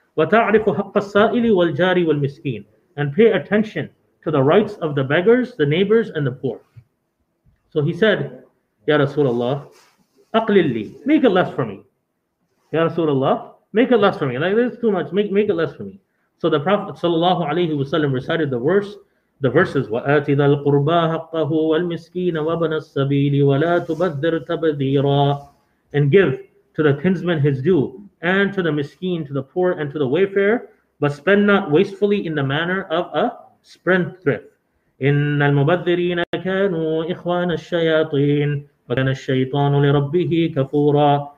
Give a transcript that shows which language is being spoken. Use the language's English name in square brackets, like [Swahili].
[Arabic] وَتَعْرِفُ حَقَّ السَّائِلِ وَالْجَارِ وَالْمِسْكِينَ. [English] And pay attention to the rights of the beggars, the neighbors, and the poor. So he said, Ya Rasulullah, [Arabic] أَقْلِلْ لِي. [English] Make it less for me. Ya Rasulullah, make it less for me. Like, this is too much. Make it less for me. So the Prophet sallallahu alaihi wasallam recited the verses [Arabic] وَآتِ ذَا الْقُرْبَى حَقَّهُ وَالْمِسْكِينَ وَابْنَ السَّبِيلِ وَلَا تُبَذِّرْ تَبْذِيرًا. [English] And give to the kinsman his due, and to the miskeen, to the poor, and to the wayfarer, but spend not wastefully in the manner of a spendthrift. [Arabic] إِنَّ الْمُبَذِّرِينَ كَانُوا إِخْوَانَ الشَّيَاطِينَ وَكَانَ الشَّيْطَانُ لِرَبِّهِ كَفُورًا.